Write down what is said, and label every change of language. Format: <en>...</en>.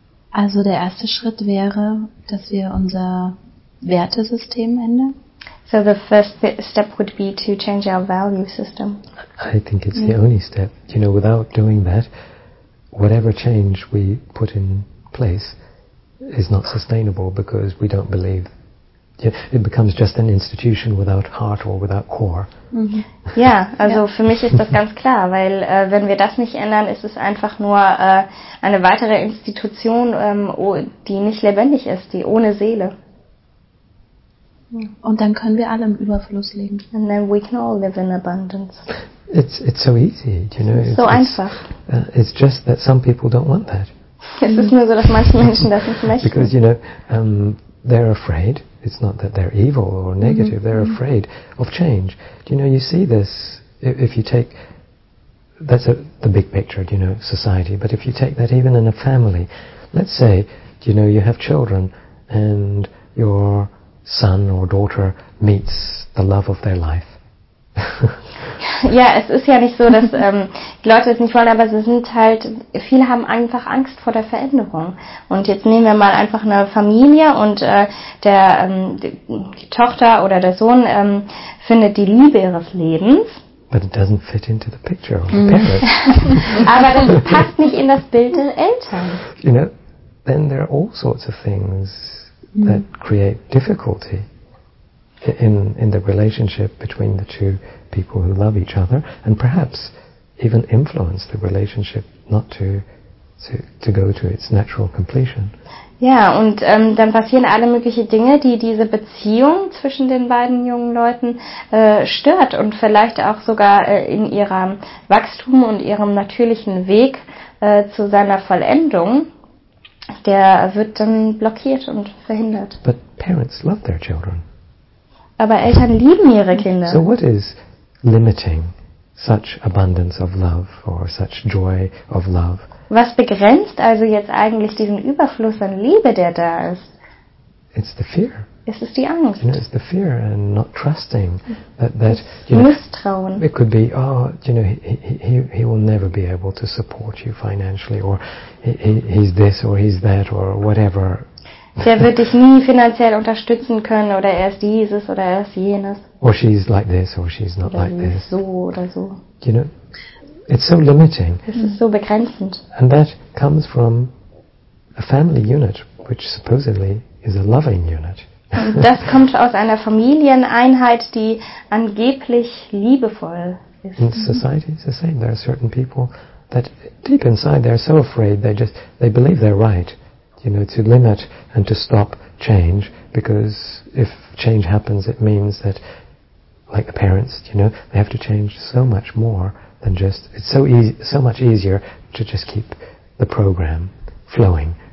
<de>Also der erste Schritt wäre, dass wir unser Wertesystem ändern.</de> <en>So the first step would be to change our value system. I think it's the only step. You know, without doing that, whatever change we put in place is not sustainable because we don't believe. It becomes just an institution without heart or without core.</en> <de>Ja, also für mich ist das ganz klar, weil wenn wir das nicht ändern, ist es einfach nur eine weitere Institution, die nicht lebendig ist, die ohne Seele. Und dann können wir alle im Überfluss leben.</de> <en>And then we can all live in abundance. It's so easy, you know. It's so</en> <de>einfach.</de> <en>It's just that some people don't want that.</en> <de>Es ist nur so, dass manche Menschen das nicht möchten.</de> <en>Because, you know, they're afraid. It's not that they're evil or negative, they're afraid of change. Do you know, you see this, if you take, that's the big picture, do you know, society, but if you take that even in a family, let's say, do you know, you have children and your son or daughter meets the love of their life.</en> <de>Ja, es ist ja nicht so, dass die Leute es nicht wollen, aber sie sind halt, viele haben einfach Angst vor der Veränderung. Und jetzt nehmen wir mal einfach eine Familie und die Tochter oder der Sohn findet die Liebe ihres Lebens.</de> <en>But it doesn't fit into the picture of the parents.</en> <de>Aber das passt nicht in das Bild der Eltern.</de> <en>You know, then there are all sorts of things that create difficulty in the relationship between the two people who love each other and perhaps even influence the relationship not to go to its natural completion.</en> <de>Ja, und dann passieren alle möglichen Dinge, die diese Beziehung zwischen den beiden jungen Leuten stört und vielleicht auch sogar in ihrem Wachstum und ihrem natürlichen Weg zu seiner Vollendung, der wird dann blockiert und verhindert.</de> <en>But parents love their children.</en> <de>Aber Eltern lieben ihre Kinder.</de> <en>So what is limiting such abundance of love or such joy of love?</en> <de>Was begrenzt also jetzt eigentlich diesen Überfluss an Liebe, der da ist?</de> <en>It's the fear.</en> <de>Es ist die Angst.</de> <en>You know, it's the fear and not trusting that you know,</en> <de>Misstrauen.</de> <en>It could be, oh, you know, he will never be able to support you financially, or he's this or he's that or whatever.</en> <de>Der wird dich nie finanziell unterstützen können, oder er ist dieses oder er ist jenes.</de> <en>Or she's like this or she's not like this.</en> <de>So oder so.</de> <en>Do you know, it's so limiting.</en> <de>Es ist so begrenzend.</de> <en>And that comes from a family unit, which supposedly is a loving unit.</en> <de>Und das kommt aus einer Familieneinheit, die angeblich liebevoll ist.</de> <en>In society it's the same. There are certain people that deep inside they're so afraid they believe they're right. You know, to limit and to stop change, because if change happens, it means that, like the parents, you know, they have to change so much more than just, it's so easy, so much easier to just keep the program flowing.</en>